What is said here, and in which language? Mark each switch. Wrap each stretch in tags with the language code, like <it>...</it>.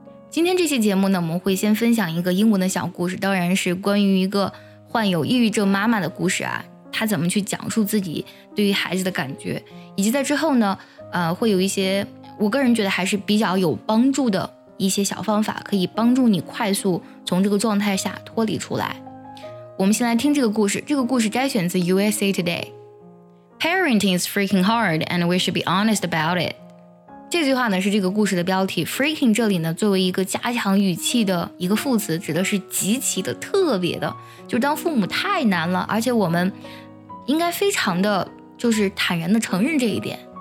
<zh>今天这期节目呢，我们会先分享一个英文的小故事，当然是关于一个患有抑郁症妈妈的故事啊，她怎么去讲述自己对于孩子的感觉，以及在之后呢，会有一些我个人觉得还是比较有帮助的一些小方法，可以帮助你快速从这个状态下脱离出来。我们先来听这个故事，这个故事摘选自 USA Today。</zh> <en>Parenting is freaking hard, and we should be honest about it.</en> <zh>这句话呢是这个故事的标题。Freaking 这里呢作为一个加强语气的一个副词，指的是极其的、特别的，就是当父母太难了，而且我们应该非常的就是坦然的承认这一点。</zh>